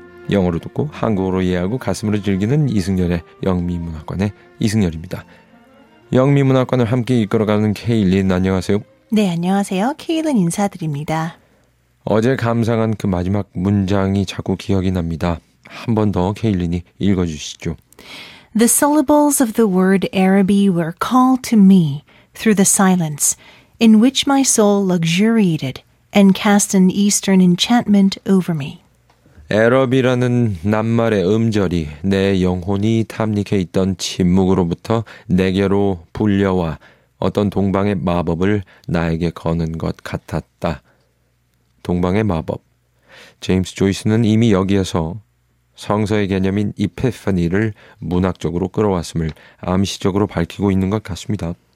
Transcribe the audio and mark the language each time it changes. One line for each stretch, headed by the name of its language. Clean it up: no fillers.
Korean: 영어로 듣고 한국어로 이해하고 가슴으로 즐기는 이승열의 영미문학관의 이승열입니다. 영미문학관을 함께 이끌어가는 케일린, 안녕하세요. 네, 안녕하세요. 케일린 인사드립니다. 어제 감상한 그 마지막 문장이 자꾸 기억이 납니다. 한 번 더 케일린이 읽어주시죠.
English: The syllables of the word Araby were called to me through the silence in which my soul luxuriated and cast an eastern enchantment over me.
Korean: 에러비라는 낱말의 음절이 내 영혼이 탐닉해 있던 침묵으로부터 내게로 불려와 어떤 동방의 마법을 나에게 거는 것 같았다. 동방의 마법. 제임스 조이스는 이미 여기에서 성서의 개념인 이페파니를 문학적으로 끌어왔음을 암시적으로 밝히고 있는 것 같습니다.